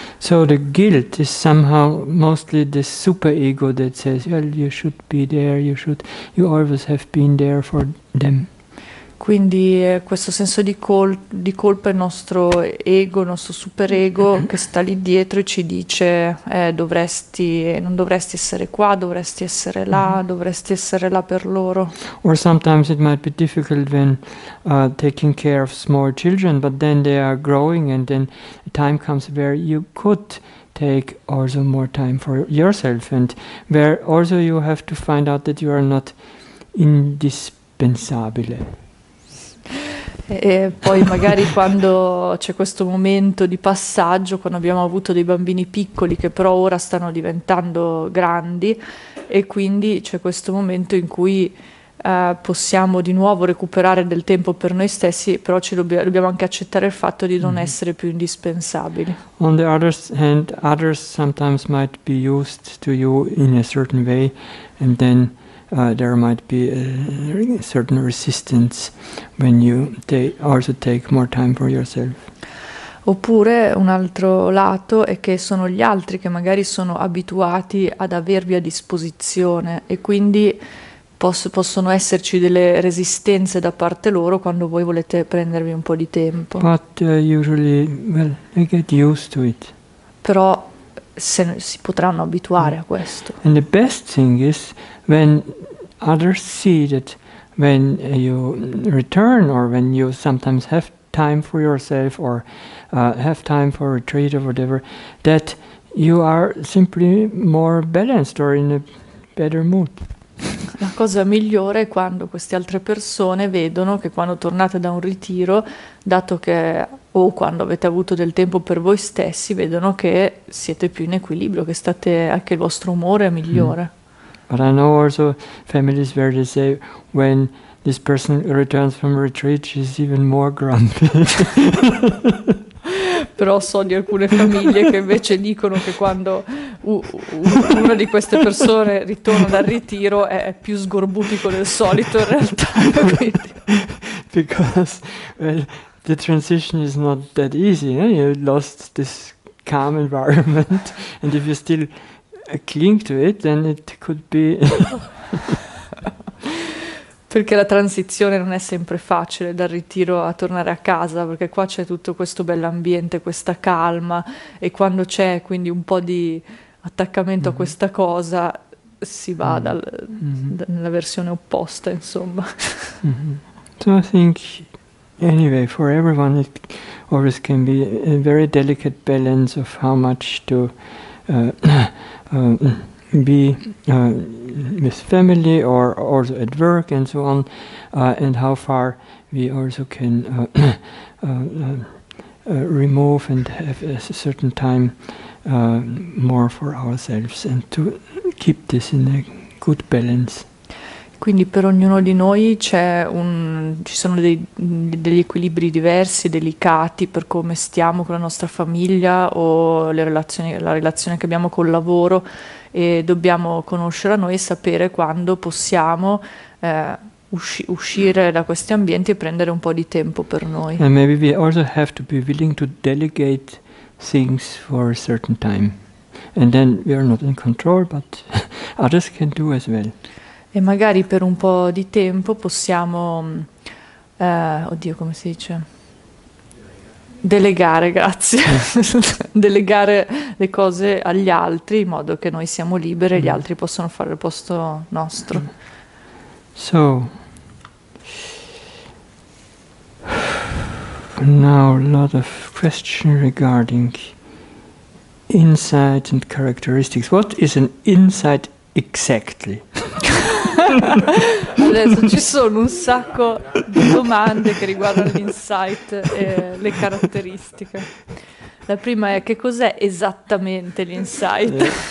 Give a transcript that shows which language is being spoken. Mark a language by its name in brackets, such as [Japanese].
[English] So the guilt is somehow mostly the super ego that says, well, you should be there, you always have been there for them. [Italian] Quindi questo senso di colpa è il nostro ego, il nostro superego che sta lì dietro e ci dice non dovresti essere qua, dovresti essere là, dovresti essere là per loro. [English] Or sometimes it might be difficult when taking care of small children, but then they are growing and then time comes where you could take also more time for yourself, and where also you have to find out that you are not indispensabile. [Italian] E poi magari quando c'è questo momento di passaggio, quando abbiamo avuto dei bambini piccoli che però ora stanno diventando grandi, e quindi c'è questo momento in cui possiamo di nuovo recuperare del tempo per noi stessi, però ci dobbiamo anche accettare il fatto di non essere più indispensabili. [English] On the other hand, others sometimes might be used to you in a certain way, and then there might be a certain resistance when you also take more time for yourself. [Italian] Oppure un altro lato è che sono gli altri che magari sono abituati ad avervi a disposizione, e quindi possono esserci delle resistenze da parte loro quando voi volete prendervi un po' di tempo. [English] But usually, well, they get used to it. [Italian] Però si potranno abituare a questo. [English] And the best thing is when others see that when you return, or when you sometimes have time for yourself, or have time for retreat or whatever, that you are simply more balanced or in a better mood. [Italian] La cosa migliore è quando queste altre persone vedono che quando tornate da un ritiro, dato che o quando avete avuto del tempo per voi stessi, vedono che siete più in equilibrio, che state, anche il vostro umore è migliore. [English] But I know also families where they say when this person returns from retreat, she's even more grumpy. [Italian] Però so di alcune famiglie che invece dicono che quando una di queste persone ritorna dal ritiro è più sgorbutico del solito in realtà. Quindi. [English] Because, well, the transition is not that easy, eh? You lost this calm environment, and if you still cling to it, then it could be. [Italian] Perché la transizione non è sempre facile dal ritiro a tornare a casa, perché qua c'è tutto questo bell'ambiente, questa calma, e quando c'è quindi un po' di attaccamento a questa cosa, si va nella versione opposta, insomma. [English] So I think, anyway, for everyone it always can be a very delicate balance of how much to be with family or also at work and so on, and how far we also can remove and have a certain time more for ourselves and to keep this in a good balance. [Italian] Quindi per ognuno di noi ci sono degli equilibri diversi, delicati per come stiamo con la nostra famiglia o la relazione che abbiamo col lavoro, e dobbiamo conoscere a noi e sapere quando possiamo uscire da questi ambienti e prendere un po' di tempo per noi. [English] And maybe we also have to be willing to delegate things for a certain time. And then we are not in control, but others can do as well. [Italian] E magari per un po' di tempo possiamo, oddio, come si dice? Delegare, grazie. Delegare le cose agli altri in modo che noi siamo liberi e gli altri possono fare il posto nostro. [English] So. Now, a lot of questions regarding insight and characteristics. What is an insight exactly? [Italian] Adesso ci sono un sacco di domande che riguardano l'insight e le caratteristiche. La prima è: che cos'è esattamente l'insight?